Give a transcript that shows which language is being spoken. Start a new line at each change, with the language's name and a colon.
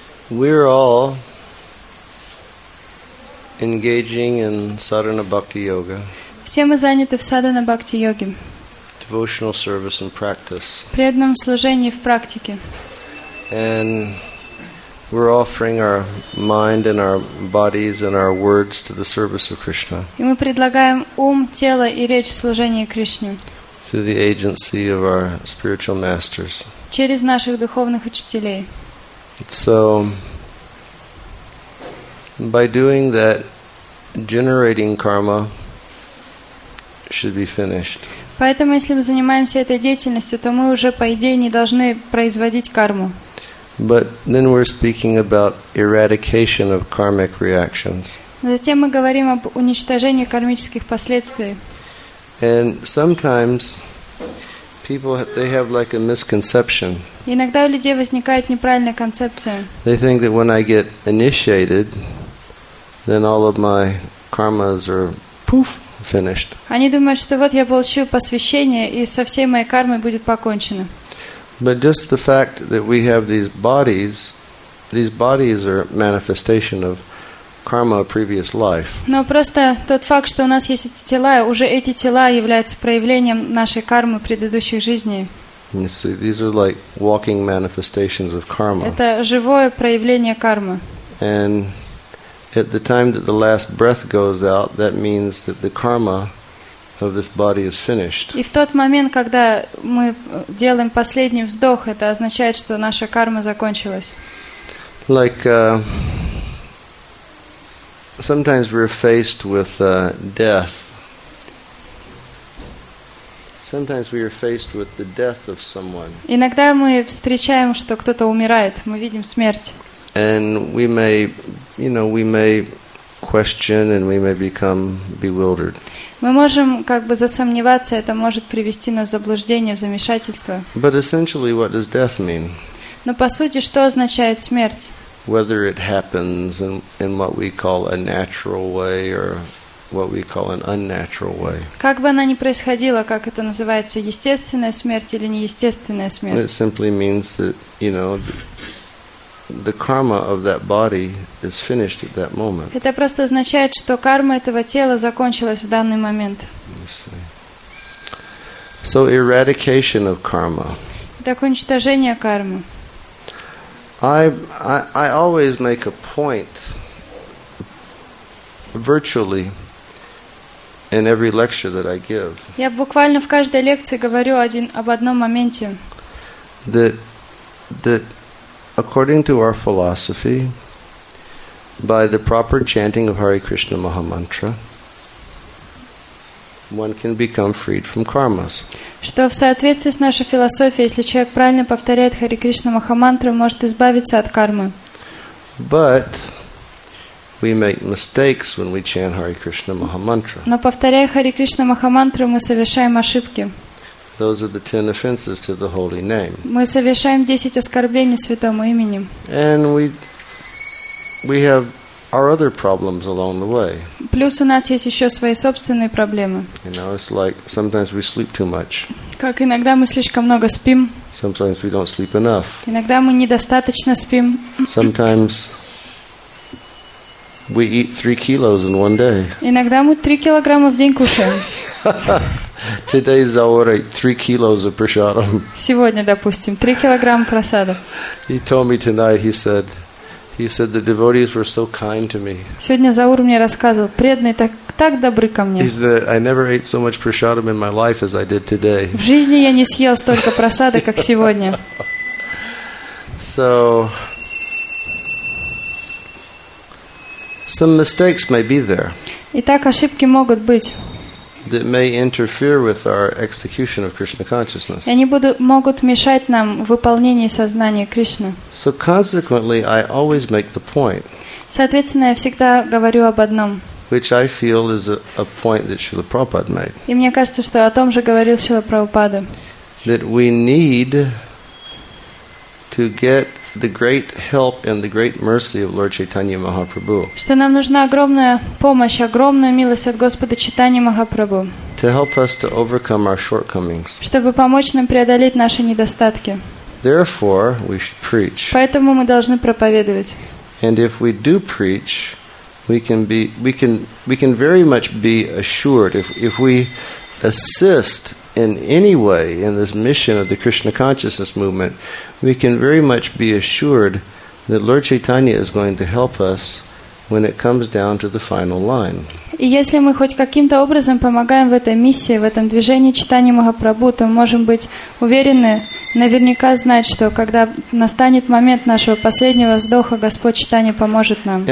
English: We're all engaging in sadhana bhakti yoga.
Russian: Все мы заняты в садхана бхакти йоге.
English: Devotional service and practice.
Russian: Преданном служении в практике.
English: And we're offering our mind and our bodies and our words to the service of Krishna.
Russian: И мы предлагаем ум, тело и речь в служении Кришне.
English: Through the agency of our spiritual masters.
Russian: Через наших духовных учителей.
English: So, by doing that, generating karma should be finished.
Russian: Поэтому, если мы занимаемся этой деятельностью, то мы уже по идее не должны производить карму.
English: But then we're speaking about eradication of karmic reactions.
Russian: Затем мы говорим об уничтожении кармических последствий.
English: And sometimes people, they have like a misconception.
Russian: Иногда у людей возникает неправильная концепция.
English: They think that when I get initiated, then all of my karmas are poof, finished.
Russian: Они думают, что вот я получу посвящение и со всей моей кармой будет покончено.
English: But just the fact that we have these bodies are manifestation of karma of previous life.
Russian: Но просто тот факт, что у нас есть эти тела, уже эти тела являются проявлением нашей кармы предыдущих жизней.
English: You see, these are like walking manifestations of karma.
Russian: Это живое проявление кармы.
English: And at the time that the last breath goes out, that means that the karma of this body is finished.
Russian: И в тот момент, когда мы делаем последний вздох, это означает, что наша карма закончилась.
English: Sometimes we're faced with death. Sometimes we are faced with the death of someone.
Russian: Иногда мы встречаем, что кто-то умирает. Мы видим смерть.
English: And we may, you know, we may question and we may become bewildered.
Russian: Мы можем как бы засомневаться. Это может привести нас в заблуждение, в замешательство.
English: But essentially, what does death mean?
Russian: Но по сути, что означает смерть?
English: Whether it happens in what we call a natural way or what we call an unnatural way.
Russian: Как бы она ни происходила, как это называется, естественная смерть или неестественная смерть?
English: It simply means that, you know, the karma of that body is finished at that moment.
Russian: Это просто означает, что карма этого тела закончилась в данный момент.
English: So eradication of karma.
Russian: Так уничтожение кармы.
English: I always make a point virtually in every lecture that I give.
Russian: Я буквально в каждой лекции говорю об одном моменте.
English: That according to our philosophy, by the proper chanting of Hare Krishna Maha Mantra, one can become freed from karmas.
Russian: Что в соответствии с нашей философией, если человек правильно повторяет Хари Кришна Махамантру, может избавиться от кармы.
English: But we make mistakes when we chant Hare Krishna Mahamantra.
Russian: Но повторяя Хари Кришна Махамантру, мы совершаем ошибки.
English: Those are the 10 offenses to the holy name.
Russian: Мы совершаем 10 оскорблений святому имени.
English: And we have our other problems along the way.
Russian: Плюс у нас есть еще свои собственные проблемы.
English: You know, it's like sometimes we sleep too much.
Russian: Как иногда мы слишком много спим.
English: Sometimes we don't sleep enough.
Russian: Иногда мы недостаточно спим.
English: Sometimes we eat 3 kilos in one day.
Russian: Иногда мы 3 килограмма в день кушаем.
English: Today is already 3 kilos of prasadam.
Russian: Сегодня, допустим, 3 килограмма просада.
English: He told me tonight. He said the devotees were so kind to me.
Russian: Сегодня Заур мне рассказывал, преданные так добры ко мне.
English: He said I never ate so much prasadam in my life as I did today.
Russian: В жизни я не съел столько просада, как сегодня.
English: So some mistakes may be there.
Russian: Итак, ошибки могут быть.
English: That may interfere with our execution of Krishna consciousness.
Russian: Они могут мешать нам в выполнении сознания Кришны.
English: So consequently, I always make the point.
Russian: Соответственно, я всегда говорю об одном.
English: Which I feel is a point that Srila Prabhupada made.
Russian: И мне кажется, что о том же говорил Шрила Прабхупада.
English: That we need to get the great help and the great mercy of Lord Chaitanya Mahaprabhu.
Russian: Что нам нужна огромная помощь, огромная милость от Господа Чайтаньи Махапрабху.
English: To help us to overcome our shortcomings.
Russian: Чтобы помочь нам преодолеть наши недостатки.
English: Therefore, we should preach.
Russian: Поэтому мы должны проповедовать.
English: And if we do preach, we can very much be assured if we assist in any way in this mission of the Krishna consciousness movement, we can very much be assured that Lord Chaitanya is going to help us when it comes down to the final line.
Russian: И если мы хоть каким-то образом помогаем в этой миссии, в этом движении Чайтаньи Махапрабху, то мы можем быть уверены, наверняка знать, что когда настанет момент нашего последнего вздоха, Господь Чайтанья поможет нам.